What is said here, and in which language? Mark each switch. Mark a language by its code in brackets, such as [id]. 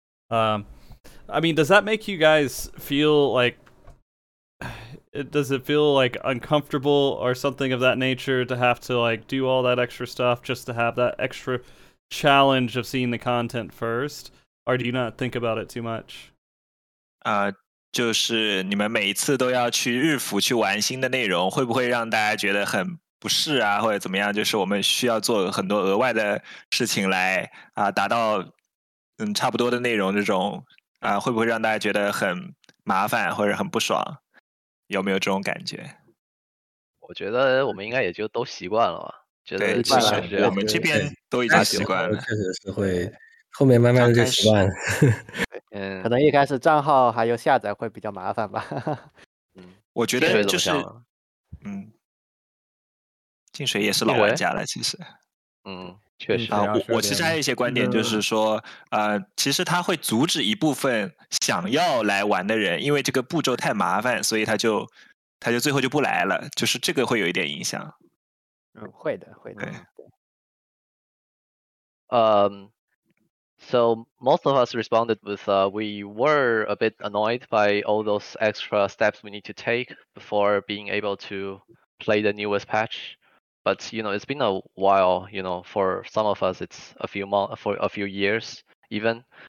[en] I mean, does that make you guys feel like, does it feel like uncomfortable or something of that nature to have to like do all that extra stuff just to have that extra challenge of seeing the content first? Or do you not think about it too much? [zh] 就是你们每一次都要去日服去玩新的内容，会不会让大家觉得很不适啊，或者怎么样？就是我们需要做很多额外的事情来达到差不多的内容，这种会不会让大家觉得很麻烦或者很不爽？有没有这种感觉？我觉得我们应该也就都习惯了吧。觉得对，其实我们这边都已经习惯了，确实是会后面慢慢就习惯了。可能一开始账号还有下载会比较麻烦吧。我觉得就是，静水也是老玩家了，其实。确实。我其实还有一些观点，就是说，其实他会阻止一部分想要来玩的人，因为这个步骤太麻烦，所以他就最后就不来了，就是这个会有一点影响。会的，会的。 [en] So most of us responded with we were a bit annoyed by all those extra steps we need to take before being able to play the newest patch. But you know, it's been a while, you know, for some of us it's a few months, for a few years even.